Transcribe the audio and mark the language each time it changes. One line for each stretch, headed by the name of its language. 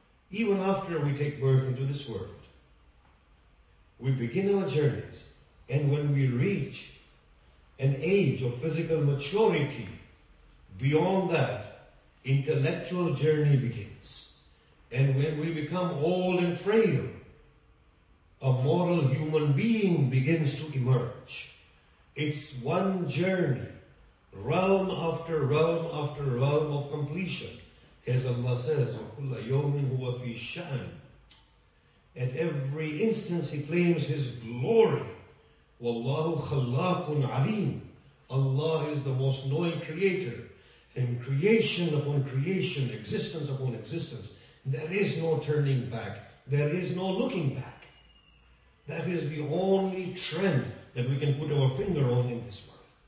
English: Even after we take birth into this world, we begin our journeys, and when we reach an age of physical maturity, beyond that, intellectual journey begins. And when we become old and frail, a moral human being begins to emerge. It's one journey, realm after realm after realm of completion.
Arabic: As Allah says, وَكُلَّ يَوْمٍ هُوَ فِي شَأْنٍ.
English: At every instance He claims His glory.
Arabic: وَاللَّهُ خَلَّاقٌ عَلِيمٌ.
English: Allah is the most knowing creator. And creation upon creation, existence upon existence, there is no turning back. There is no looking back. That is the only trend that we can put our finger on in this world.